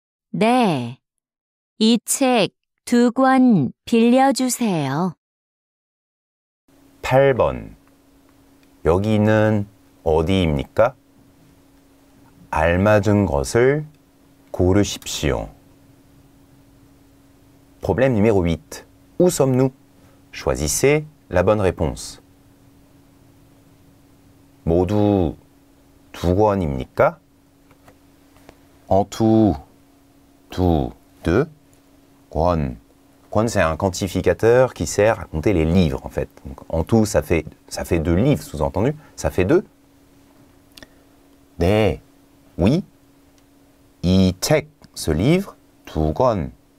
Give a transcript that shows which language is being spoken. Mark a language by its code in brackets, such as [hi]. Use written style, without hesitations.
[ko] 네, 이 책 두 권 빌려주세요. 8번 여기는 어디입니까? 알맞은 것을 고르십시오. [fr] Problème numéro 8. Où sommes-nous? Choisissez la bonne réponse. [ko] 모두 두 권입니까? [fr] En tout, tout, deux, 권. 권, c'est un quantificateur qui sert à compter les livres, en fait. Donc, en tout, ça fait deux livres, sous-entendu. Ça fait deux. [ko] 네, [fr] oui. [ko] 이 책, [fr] ce livre, [ko] 두 권.